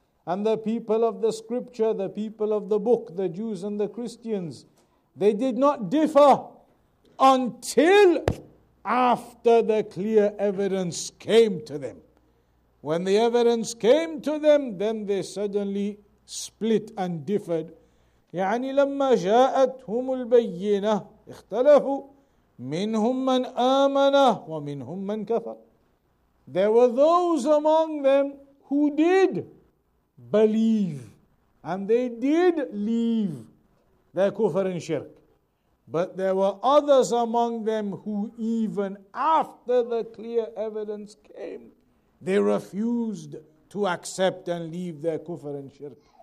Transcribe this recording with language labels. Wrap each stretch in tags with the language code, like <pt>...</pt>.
<en>And the people of the scripture, the people of the book, the Jews and the Christians, they did not differ until after the clear evidence came to them. When the evidence came to them, then they suddenly split and differed.</en> <ar>يعني لما جاءتهم البينة اختلفوا منهم من آمن ومنهم من كفر.</ar> <en>There were those among them who did believe and they did leave their kufr and shirk. But there were others among them who, even after the clear evidence came, they refused to accept and leave their kufr and shirk.</en>